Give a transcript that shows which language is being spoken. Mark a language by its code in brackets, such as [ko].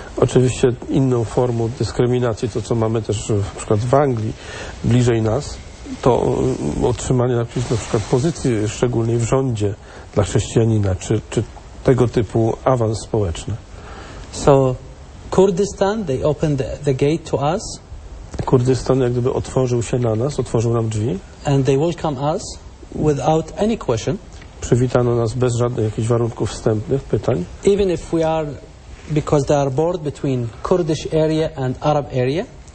[pl] Oczywiście inną formą dyskryminacji, to co mamy też na przykład w Anglii, bliżej nas, to otrzymanie na przykład pozycji szczególnej w rządzie dla chrześcijanina, czy tego typu awans społeczny. [en] So, Kurdistan, they opened the gate to us. [pl] Kurdystan jak gdyby otworzył się na nas, otworzył nam drzwi. [en] And they welcome us without any question. [pl] Przywitano nas bez żadnych jakichś warunków wstępnych, pytań. [en] Even if we are, because they are bored between Kurdish area and Arab area.